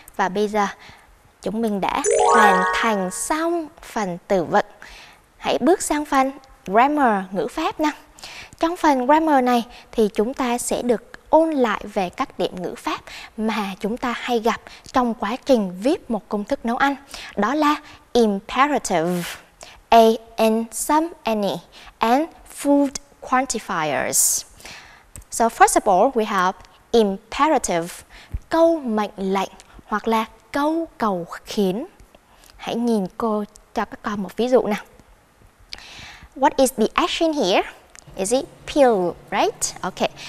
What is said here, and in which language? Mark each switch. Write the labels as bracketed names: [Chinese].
[Vietnamese] Và bây giờ chúng mình đã hoàn thành xong phần từ vựng. Hãy bước sang phần grammar, ngữ pháp nè. Trong phần grammar này thì chúng ta sẽ được ôn lại về các điểm ngữ pháp mà chúng ta hay gặp trong quá trình viết một công thức nấu ăn. [English] Đó là imperative, A and some any, and food quantifiers. So first of all, we have imperative, [Vietnamese] câu mệnh lệnh hoặc là câu cầu khiến. Hãy nhìn cô cho các con một ví dụ nào. [English] What is the action here? Is it peel, right? Okay.